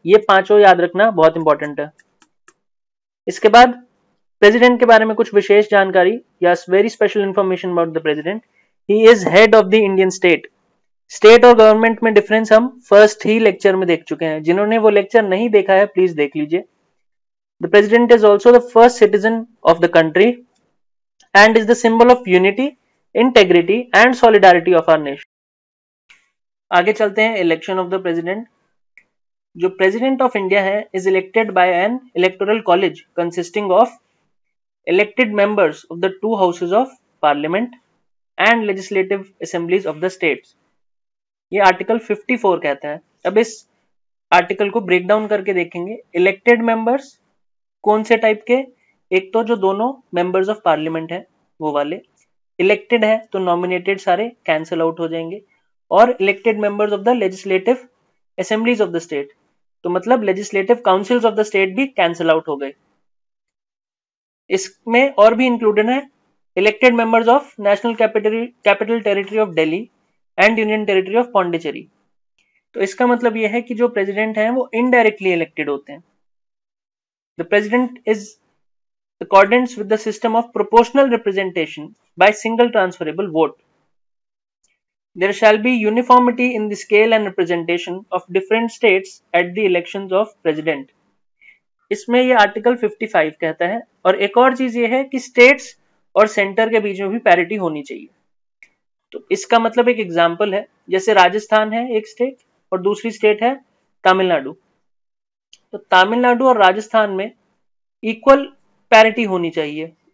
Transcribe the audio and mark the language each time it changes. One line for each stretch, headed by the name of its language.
Hindi: ये पांचों याद रखना बहुत इंपॉर्टेंट है. इसके बाद प्रेसिडेंट के बारे में कुछ विशेष जानकारी या
English: Very special information about the president. He is head of the Indian state.
Hindi: State और गवर्नमेंट में डिफरेंस हम फर्स्ट ही लेक्चर में देख चुके हैं. जिन्होंने वो लेक्चर नहीं देखा है प्लीज देख लीजिए.
English: The president is also the first citizen of the country and is the symbol of unity, integrity and solidarity of our nation.
Hindi: आगे चलते हैं
English: election of the president. जो president of India है is elected by an electoral college consisting of elected members of the two houses of parliament and legislative assemblies of the states.
Hindi: ये article 54 कहता है. अब इस article को break down करके देखेंगे. Elected members कौन से टाइप के? एक तो जो दोनों मेंबर्स ऑफ पार्लियामेंट है वो वाले. इलेक्टेड है तो नॉमिनेटेड सारे कैंसिल आउट हो जाएंगे.
English: और elected members of the legislative assemblies of the state,
Hindi: तो मतलब
English: Legislative councils of the state भी cancel out हो गए.
Hindi: इसमें और भी इंक्लूडेड है
English: Elected members of national capital territory of Delhi and union territory of Pondicherry.
Hindi: तो इसका मतलब यह है कि जो प्रेजिडेंट है वो इनडायरेक्टली इलेक्टेड होते हैं.
English: The president is in accordance with the system of proportional representation by single transferable vote. There shall be uniformity in the scale and representation of different states at the elections of president.
Hindi: इसमें ये article 55 कहता है. और एक और चीज ये है कि states और center के बीच में भी parity होनी चाहिए. तो इसका मतलब एक example है, जैसे राजस्थान है एक state और दूसरी state है तमिलनाडु. तो तमिलनाडु और राजस्थान में इक्वल पैरिटी होनी चाहिए.